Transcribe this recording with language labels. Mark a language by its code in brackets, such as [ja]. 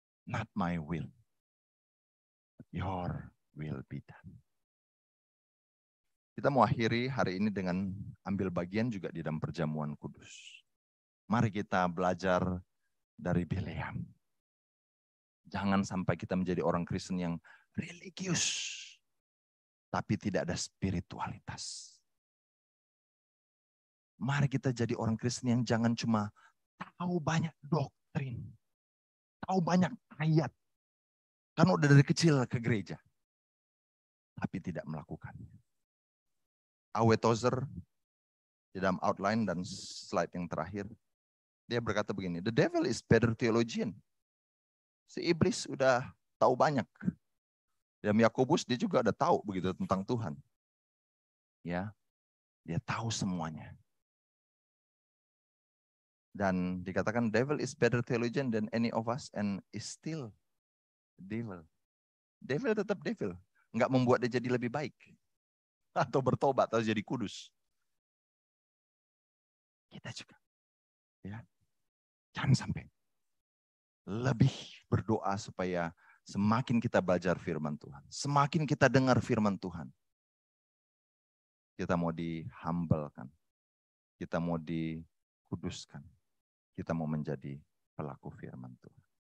[en] Not my will, your will be done. [id] Kita mau akhiri hari ini dengan ambil bagian juga di dalam perjamuan kudus. Mari kita belajar dari Bileam. Jangan sampai kita menjadi orang Kristen yang religius, tapi tidak ada spiritualitas. Mari kita jadi orang Kristen yang jangan cuma tahu banyak doktrin, tahu banyak ayat, kan udah dari kecil ke gereja, tapi tidak melakukannya. Awetozer di dalam outline dan slide yang terakhir. Dia berkata begini, [en] the devil is better theologian. [id] Si iblis sudah tahu banyak. Dan Yakobus dia juga ada tahu begitu tentang Tuhan. Ya. Dia tahu semuanya. Dan dikatakan [en] devil is better theologian than any of us and is still devil. [id] Devil tetap devil, enggak membuat dia jadi lebih baik atau bertobat atau jadi kudus. Kita juga. Ya. Jangan sampai lebih berdoa supaya semakin kita belajar firman Tuhan, semakin kita dengar firman Tuhan, kita mau dihumblekan, kita mau dikuduskan, kita mau menjadi pelaku firman Tuhan.